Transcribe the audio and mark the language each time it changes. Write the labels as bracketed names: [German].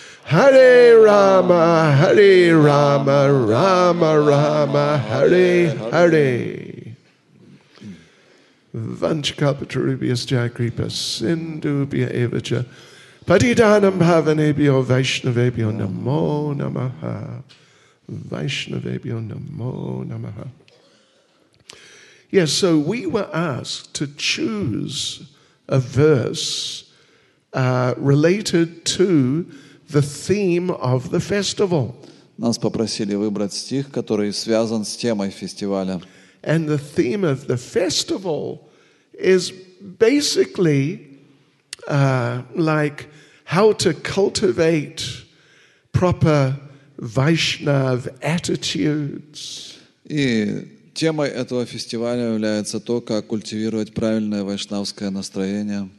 [Sanskrit] Харе Рама, Харе Рама, Рама Рама, Харе Харе. Ванчкапатарубиасча крипа синдубия эвача патитанам бхаванебио вайшнавебио намо намаха вайшнавебио намо намаха. [English] Yes, so we were asked to choose a verse related to the theme of the festival. [Russian] Нас попросили выбрать стих, который связан с темой фестиваля. [English] And the theme of the festival is basically like how to cultivate proper Vaishnav attitudes. [Russian] И темой этого фестиваля является то, как культивировать правильное вайшнавское настроение.